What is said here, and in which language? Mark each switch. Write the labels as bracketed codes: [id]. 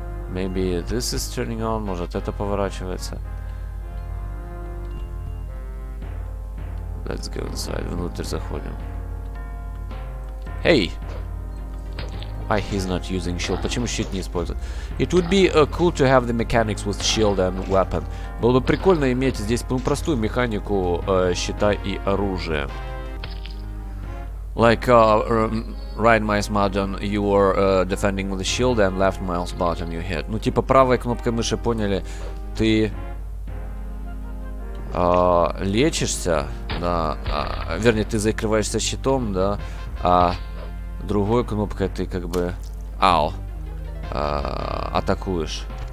[en] Maybe this is turning on. [ru] Может, это поворачивается. [en] Let's go inside. [ru] Внутрь заходим. [en] Hey! Why he's not using shield? [ru] Почему щит не использует? [en] It would be cool to have the mechanics with shield and weapon. [ru] Было бы прикольно иметь здесь простую механику щита и оружия. [en] Like right mouse button you are defending with the shield and left mouse button you hit. [ru] Ну типа правой кнопкой мыши, поняли, ты лечишься, да, вернее ты закрываешься щитом, да, а другой кнопкой ты как бы атакуешь.